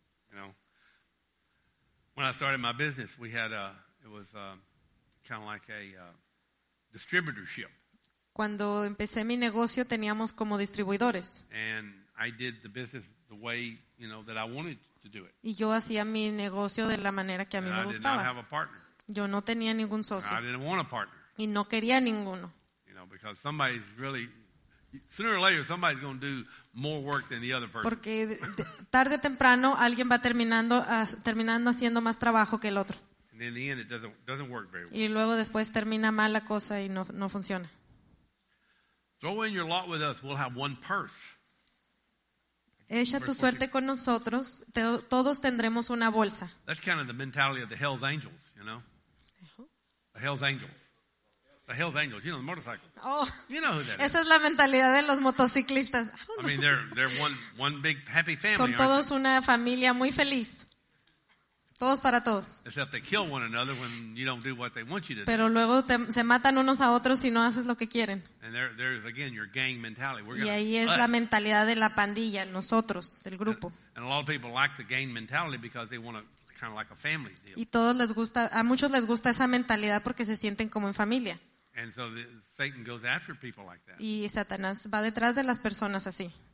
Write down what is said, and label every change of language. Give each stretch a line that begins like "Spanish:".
English: You know, when I started my business, we had a, it was kind of like a distributorship.
Spanish: Cuando empecé mi negocio teníamos como distribuidores.
English: And I did the business the way, you know, that I wanted to do it.
Spanish: Y yo hacía mi negocio de la manera que a mí me gustaba.
English: I did not have a partner.
Spanish: Yo no tenía ningún socio.
English: I didn't want a partner.
Spanish: Y no quería ninguno.
English: You know, because somebody's really, sooner or later somebody's going to do more work than the other person.
Spanish: Porque tarde o temprano alguien va terminando haciendo más trabajo que el otro.
English: And in the end it doesn't work very well.
Spanish: Y luego después termina mal la cosa y no funciona.
English: Throw in your lot with us, we'll have one purse.
Spanish: Echa tu suerte con nosotros, todos tendremos una bolsa.
English: That's kind of the mentality of the Hell's Angels, you know? The Hell's Angels. The Hell's Angels, you know, the motorcycles. Oh, you know who that
Spanish: esa
English: is.
Spanish: Es la mentalidad de los motociclistas.
English: I mean, they're one big happy family.
Spanish: Son todos
English: aren't
Spanish: una familia muy feliz. Todos para todos.
English: Except they kill one another when you don't do what they want you to do.
Spanish: Pero luego se matan unos a otros si no haces lo que quieren.
English: And there is again your gang mentality.
Spanish: Y ahí es la mentalidad de la pandilla, nosotros, del grupo.
English: And a lot of people like the gang mentality because they want to kind of like a family deal.
Spanish: Y todos les gusta, a muchos les gusta esa mentalidad porque se sienten como en familia.
English: And so Satan goes after people like that.
Spanish: Y Satanás va detrás de las personas así.